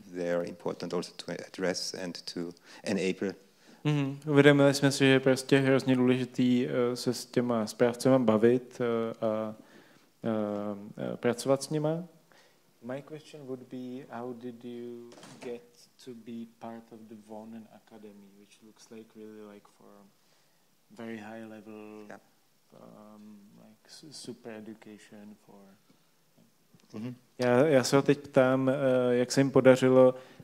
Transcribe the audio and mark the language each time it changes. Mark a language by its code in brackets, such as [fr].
[en] They are important also to address and to enable. Mm-hmm. [cs] Uvědomili jsme si, že je prostě hrozně důležitý se s těma správcema bavit a pracovat s nima. [en] My question would be, how did you get to be part of the Vonen Academy, which looks like really like for very high level, yeah. Like super education for... Mm-hmm. [cs] Já se ho teď ptám, jak se jim podařilo